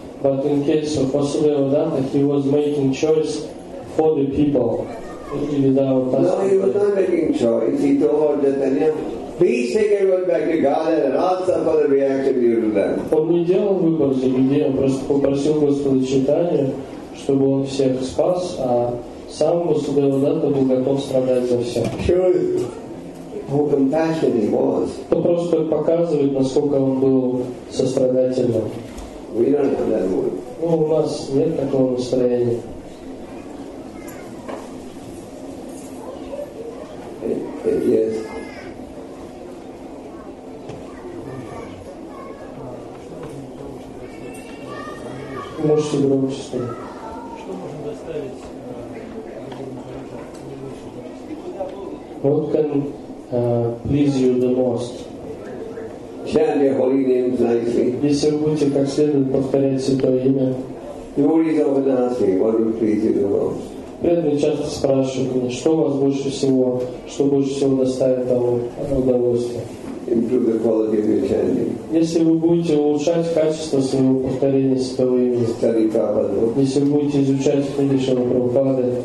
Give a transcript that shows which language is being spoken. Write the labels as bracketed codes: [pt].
[en] But in case of Vasudevadatta, he was making choice for the people. No, he was not making choice. He told Lord Chaitanya, please take everyone back to Garden and ask them for the reaction due to them. [ru] Он не делал выбор за людей, он просто попросил Господа Чайтанью, чтобы он всех спас, а сам Васудевадатта был готов страдать за всех. [en] How compassionate he was. [ru] Это просто показывает, насколько он был сострадательным. [en] We don't have that mood. [ru] Ну, у нас нет такого настроения. [en] Yes. [ru] Можете громче сказать. [en] What can please you the most? Chant your holy names nicely. [ru] Если вы будете как следует повторять святое имя. [en] Devotees often ask me, what would please you the most? [ru] Преданные часто спрашивают меня, что больше всего доставит вам удовольствие. [en] Improve the quality of your chanting. [ru] Если вы будете улучшать качество своего повторения святого имени. [en] Study Prabhupada. [ru] Если вы будете изучать книги Шрилы Прабхупады.